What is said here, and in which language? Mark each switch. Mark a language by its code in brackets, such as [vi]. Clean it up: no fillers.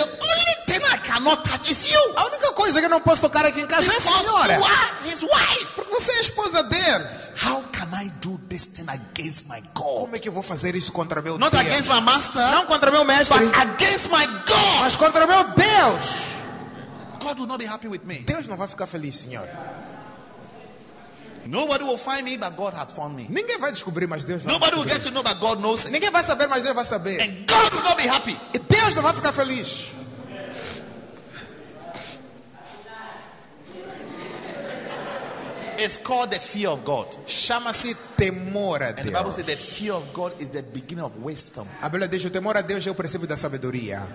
[en] The only thing I cannot touch is you. [pt] A única coisa que eu não posso tocar aqui em casa [en] because [pt] é a senhora. [en] You are his wife. [pt] Porque você é a esposa dele. [en] How can I do this thing against my God? [pt] Como é que eu vou fazer isso contra meu [en] not [pt] Deus? [en] Against my master, [pt] não contra meu mestre. [en] But against my God. [pt] Mas contra meu Deus. [en] God will not be happy with me. [pt] Deus não vai ficar feliz, Senhor. [en] Nobody will find me, but God has found me. [pt] Ninguém vai descobrir, mas Deus vai [en] nobody [pt] descobrir. [en] Will get to know, but God knows it. [pt] Ninguém vai saber, mas Deus vai saber. [en] And God will not be happy. [pt] E Deus não vai ficar feliz. A [en] It's called the fear of God. [pt] Chama-se temor a Deus. [en] And the Bible says the fear of God is the beginning of wisdom. [pt] A Bíblia diz o temor a Deus é o princípio da sabedoria.